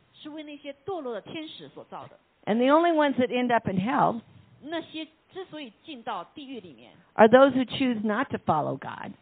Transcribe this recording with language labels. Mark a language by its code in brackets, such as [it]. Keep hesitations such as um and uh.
[zh] 是为那些堕落的天使所造的。 [en] And the only ones that end up in hell. [zh] 那些之所以进到地狱里面。 [en] Are those who choose not to follow God.